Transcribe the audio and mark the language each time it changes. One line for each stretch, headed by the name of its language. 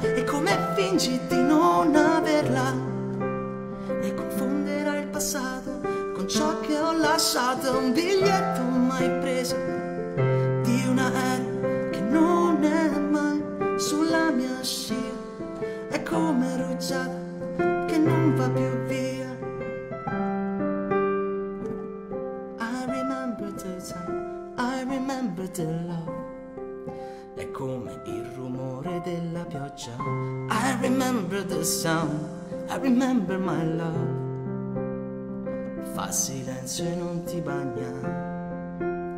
Italian: E come fingi di non averla e confonderai il passato con ciò che ho lasciato. Un biglietto mai preso di un aereo che non è mai sulla mia scia. È come rugiada che non va più via.
English: I remember the time, I remember the love.
Italian: È come il rumore della pioggia.
English: I remember the sound, I remember my love.
Italian: Fa silenzio e non ti bagna.